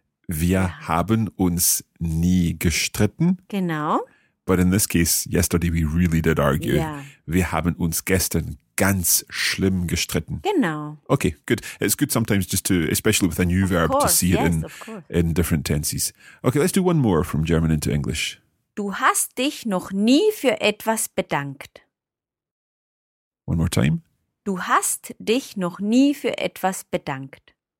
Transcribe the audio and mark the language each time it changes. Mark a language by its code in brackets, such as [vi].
[de] Wir haben uns nie gestritten. Genau. [en] But in this case, yesterday we really did argue. Yeah. [de] Wir haben uns gestern ganz schlimm gestritten. Genau. [en] Okay, good. It's good sometimes just to, especially with a new verb, to see it in different tenses. Okay, let's do one more from German into English. [de] Du hast dich noch nie für etwas bedankt. [en] One more time. [de] Du hast dich noch nie für etwas bedankt.